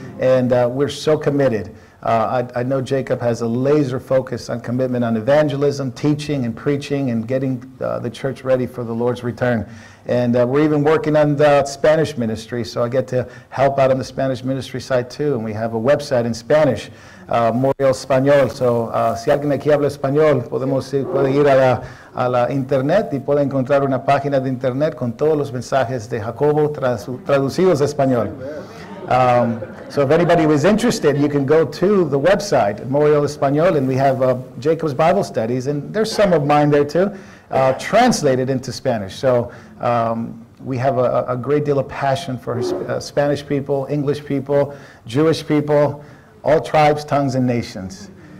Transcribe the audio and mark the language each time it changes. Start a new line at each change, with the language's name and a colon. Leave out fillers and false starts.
English: And we're so committed. I know Jacob has a laser focus on commitment on evangelism, teaching and preaching and getting the church ready for the Lord's return. And we're even working on the Spanish ministry, so I get to help out on the Spanish ministry side too. And we have a website in Spanish, Moriel Español.
Spanish: So si alguien aquí habla español, puede ir a la internet y puede encontrar una página de internet con todos los mensajes de Jacobo traducidos a español.
English: So if anybody was interested, you can go to the website, Moriel Español, and we have Jacob's Bible studies, and there's some of mine there too, translated into Spanish. So we have a great deal of passion for Spanish people, English people, Jewish people, all tribes, tongues, and nations.